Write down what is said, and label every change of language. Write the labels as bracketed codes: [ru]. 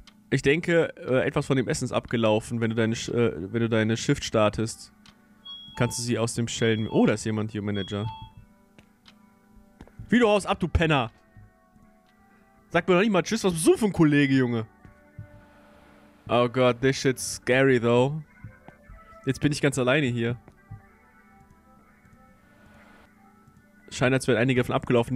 [de] Ich denke, etwas von dem Essen ist abgelaufen, wenn du deine Shift startest. Kannst du sie aus dem Schellen... Oh, da ist jemand hier, Manager. Video aus, ab, du Penner! Sag mir doch nicht mal Tschüss, was bist du für ein Kollege, Junge? Oh Gott, [en] this shit's scary, though. [de] Jetzt bin ich ganz alleine hier. Scheint, als wären einige davon abgelaufen.